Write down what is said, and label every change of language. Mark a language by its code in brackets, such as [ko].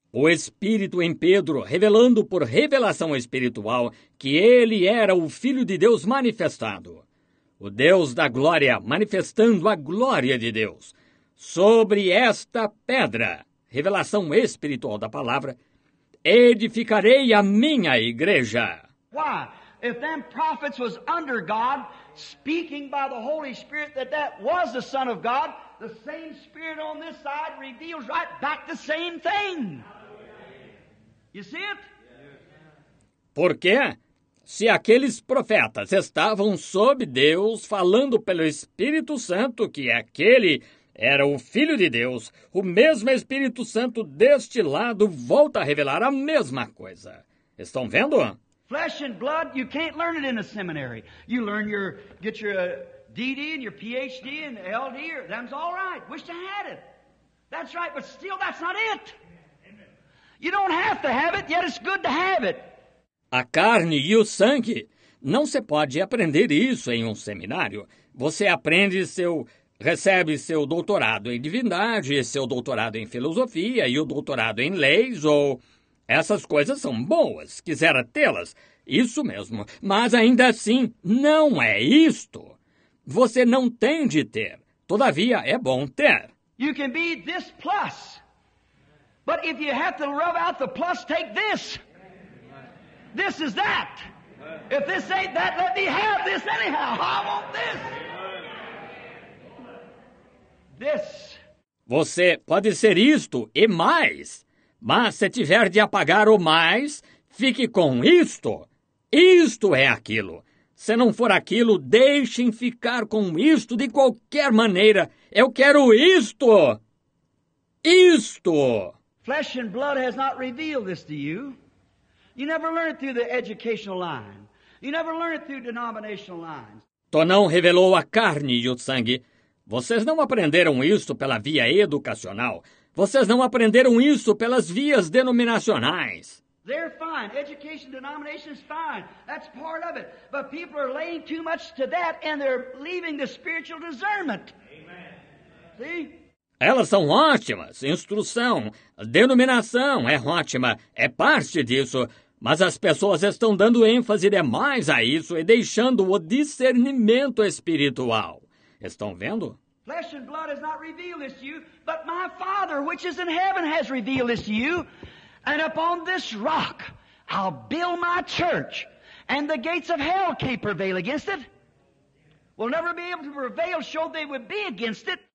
[pt] O Espírito em Pedro, revelando por revelação espiritual que ele era o Filho de Deus manifestado. O Deus da glória manifestando a glória de Deus. Sobre esta pedra, revelação espiritual da palavra, edificarei a minha igreja. [en] Why? If them prophets was under God, speaking by the Holy Spirit that was the Son of God, the same Spirit on this side reveals right back the same thing. You see it? [pt] Por quê? Se aqueles profetas estavam sob Deus, falando pelo Espírito Santo, que é aquele era o Filho de Deus, o mesmo Espírito Santo deste lado volta a revelar a mesma coisa. Estão vendo? [en] Flesh and blood, you can't learn it in a seminary. You learn your, get your DD and your PhD and LD, that's all right. Wish I had it. That's right, but still, that's not it. You don't have to have it, yet it's good to have it. [pt] A carne e o sangue, não se pode aprender isso em um seminário. Você aprende seu, recebe seu doutorado em divindade, seu doutorado em filosofia e o doutorado em leis, ou essas coisas são boas, quisera tê-las, isso mesmo. Mas ainda assim, não é isto. Você não tem de ter, todavia é bom ter. [en] You can be this plus, but if you have to rub out the plus, take this. This is that. If this ain't that, let me have this anyhow. I want this. This. [pt] Você pode ser isto e mais, mas se tiver de apagar o mais, fique com isto. Isto é aquilo. Se não for aquilo, deixem ficar com isto de qualquer maneira. Eu quero isto. Isto. [en] Flesh and blood has not revealed this to you. You never learn it through the educational line. You never learn it through denominational lines. [pt] Tonão revelou a carne e o sangue. Vocês não aprenderam isto pela via educacional. Vocês não aprenderam isso pelas vias denominacionais. [en] They're fine. Education denomination is fine. That's part of it. But people are laying too much to that and they're leaving the spiritual discernment. Amen. See? [pt] Elas são ótimas, instrução, denominação é ótima, é parte disso, mas as pessoas estão dando ênfase demais a isso e deixando o discernimento espiritual. Estão vendo? [en] Flesh and blood has not revealed this to you, but my Father, which is in heaven, has revealed this to you. And upon this rock, I'll build my church, and the gates of hell can't prevail against it. Will never be able to prevail, show they would be against it.